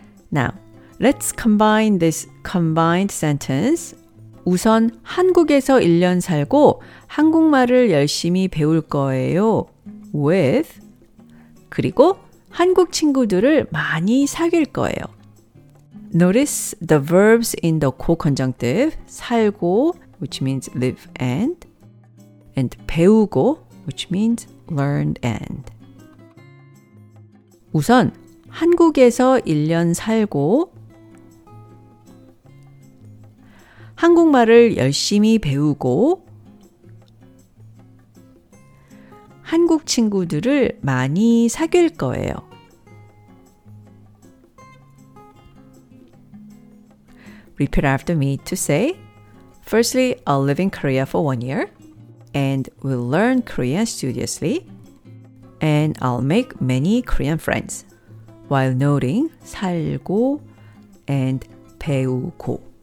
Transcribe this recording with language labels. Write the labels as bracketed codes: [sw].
[en] 나 Let's combine this combined sentence. [ko] 우선 한국에서 1년 살고 한국말을 열심히 배울 거예요. [en] With [ko] 그리고 한국 친구들을 많이 사귈 거예요. [en] Notice the verbs in the 고 conjunctive 살고, which means live and 배우고, which means learned and. [ko] 우선 한국에서 1년 살고 한국말을 열심히 배우고 한국 친구들을 많이 사귈 거예요. [en] 'Repeat after me to say, firstly, I'll live in Korea for 1 year and will learn Korean studiously and I'll make many Korean friends while noting 살고 and 배우고.